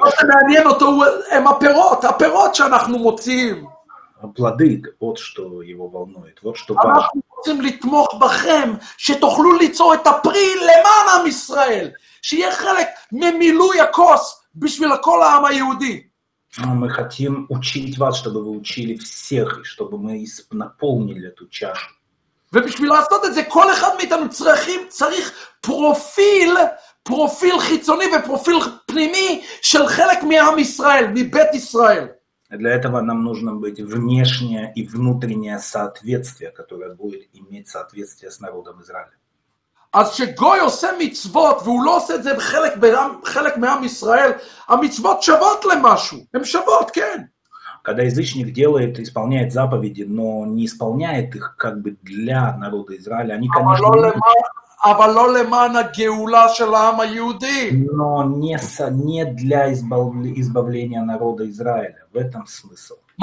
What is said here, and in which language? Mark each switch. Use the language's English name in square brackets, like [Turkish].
[Russian] Вот это мяньен, это аперот, аперот, что [Hebrew] אנחנו מוציאים. [Russian] Плоды, вот что его волнует, вот что важно. [Hebrew] אנחנו רוצים לתמוך בכם, שתוכלו ליצור את הפרי למען עם ישראל, שיהיה חלק ממילוי הכוס בשביל כל העם היהודי. [Russian] Мы хотим учить вас, чтобы вы учили всех, чтобы мы наполнили эту чашу. [Hebrew] ובשביל לעשות את זה, כל אחד מאיתנו צריך פרופיל, פרופיל חיצוני ופרופיל פנימי של חלק מעם ישראל, מבית ישראל. [Russian] Для этого нам нужно быть внешнее и внутреннее соответствие, которое будет иметь соответствие с народом Израиля. [Hebrew] אז שגוי עושה מצוות והוא לא עושה את זה חלק מעם ישראל, המצוות שוות למשהו, הן שוות, כן. [Russian] Когда язычник делает, исполняет заповеди, но не исполняет их как бы для народа Израиля, они, конечно, но не для избавления народа Израиля. В этом смысл.